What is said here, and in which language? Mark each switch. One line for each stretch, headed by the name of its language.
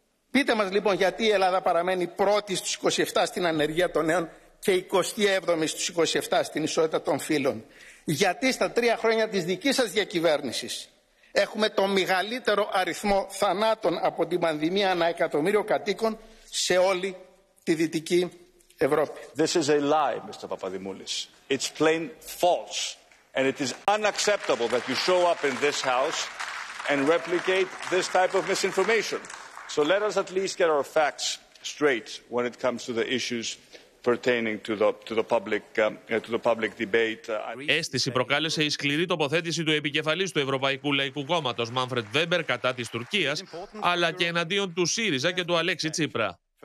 Greek: Πείτε μας λοιπόν γιατί η Ελλάδα παραμένει πρώτη στους 27 στην ανεργία των νέων και 27η στους 27 στην ισότητα των φύλων. Γιατί στα 3 χρόνια της δικής σας διακυβέρνησης έχουμε το μεγαλύτερο αριθμό θανάτων από την πανδημία ανά εκατομμύριο κατοίκων σε όλη τη Δυτική Ευρώπη.
English: This is a lie, Mr. Papadimoulis. It's plain false. And it is unacceptable that you show up in this house and replicate this type of misinformation. So let us at least get our facts straight when it comes to the issues pertaining to the public debate.
Greek: Αίσθηση προκάλεσε η σκληρή τοποθέτηση του επικεφαλής του Ευρωπαϊκού Λαϊκού Κόμματος, Μάνφρεντ Βέμπερ, κατά της Τουρκίας, αλλά και εναντίον του ΣΥΡΙΖΑ και του Αλέξη Τσίπρα.